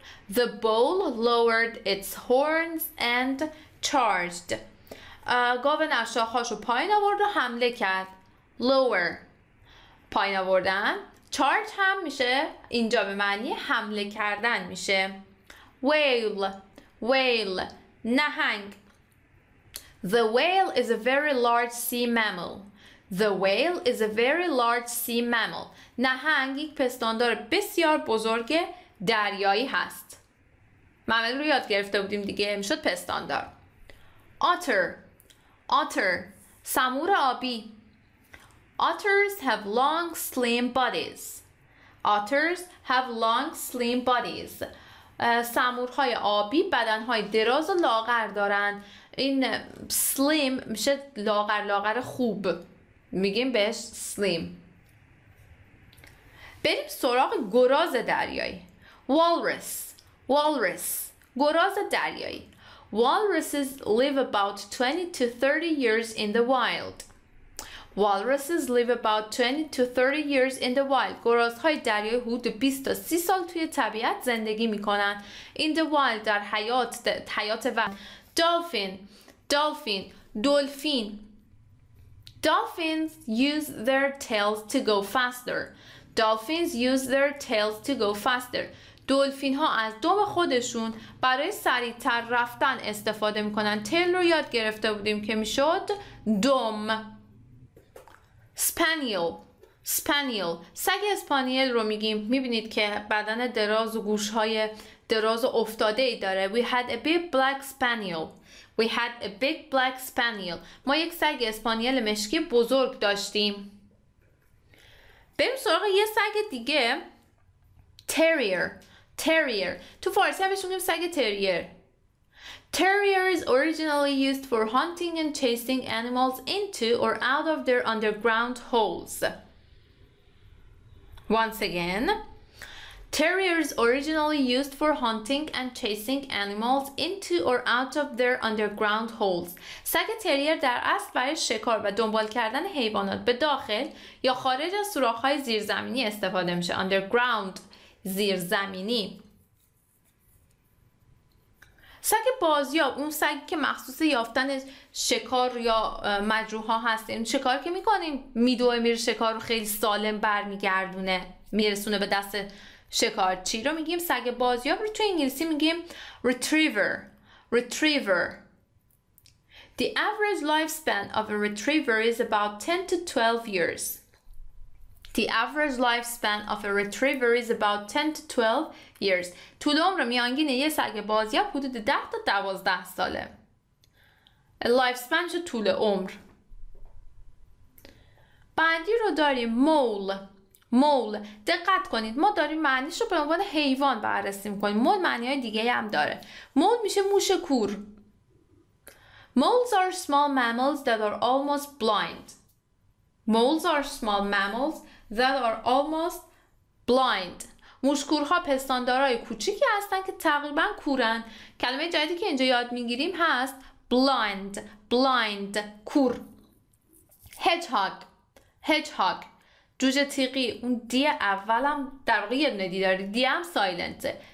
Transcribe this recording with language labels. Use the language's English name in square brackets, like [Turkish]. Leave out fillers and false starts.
[English] The bull lowered its horns and charged. [Persian] گاو نر شاخهاشو پایین آورد و حمله کرد. [English] Lower. [Persian] پایین آوردن. چارج هم میشه اینجا به معنی حمله کردن میشه. [English] Whale. Whale. [Persian] نهنگ. [English] The whale is a very large sea mammal. The whale is a very large sea mammal. [Persian] نهنگ یک پستاندار بسیار بزرگ دریایی هست. ممل رو یاد گرفته بودیم دیگه میشد پستاندار. [English] Otter. Otter. [Persian] سمور آبی. [English] Otters have long, slim bodies. Otters have long, slim bodies. [Persian] سمورهای آبی بدنهای دراز و لاغر دارن. این slim میشه لاغر لاغر خوب. میگیم بهش slim. بریم سراغ گراز دریایی. Walrus. [English] Walrus. [Persian] گراز دریایی. [English] Walruses live about 20 to 30 years in the wild. Walruses live about 20 to 30 years in the wild. [Persian] گرازهای دریایی حدود 20 تا 30 سال توی طبیعت زندگی میکنن. [English] In the wild [Persian] در حیات وحشی. [English] Dolphin. Dolphin. دلفین. Dolphins use their tails to go faster. Dolphins use their tails to go faster. [Persian] دلفین ها از دم خودشون برای سریعتر رفتن استفاده میکنن. تیل رو یاد گرفته بودیم که میشد دم. [English] Spaniel. [Persian] Spaniel. سگ اسپانیل رو میگیم. میبینید که بدن دراز و گوشهای دراز و افتاده ای داره. [English] We had a big black spaniel. We had a big black spaniel. [Persian] ما یک سگ اسپانیل مشکی بزرگ داشتیم. بریم سراغ یه سگ دیگه. [English] Terrier. Terrier. [Persian] تو فارسی همش میگیم سگ تریر. [English] Terrier is originally used for hunting and chasing animals into or out of their underground holes. Once again, terrier is originally used for hunting and chasing animals into or out of their underground holes. [Persian] سگ تریر در اصل برای شکار و دنبال کردن حیوانات به داخل یا خارج از سوراخ‌های زیرزمینی استفاده میشه. Underground, زیرزمینی. سگ بازیاب، اون سگی که مخصوص یافتن شکار یا مجروح ها هست. این شکار که میکنیم میدوه میره شکار رو خیلی سالم برمیگردونه میرسونه به دست شکار. چی رو میگیم سگ بازیاب رو تو انگلیسی میگیم [English] retriever. Retriever. The average lifespan of a retriever is about 10 to 12 years. The average lifespan of a retriever is about 10 to 12 years. [Persian] طول عمر میانگین یه سگ بازیاب حدود 10 تا 12 ساله. A lifespan چه طول عمر. بعدی رو داریم مول. مول دقت کنید، ما داریم معنیش رو به عنوان حیوان بررسی می‌کنیم. مول معنی‌های دیگه‌ای هم داره. مول میشه موش کور. [English] Moles are small mammals that are almost blind. Moles are small mammals that are almost blind. [Persian] موشکورها پستاندارای کوچیکی هستن که تقریبا کورن. کلمه جدیدی که اینجا یاد میگیریم هست blind. [English] Blind کور. Hedgehog. [Persian] Hedgehog جوجه تیغی. اون دی اولم در واقع یه دونه دی داره، دی هم سایلنته.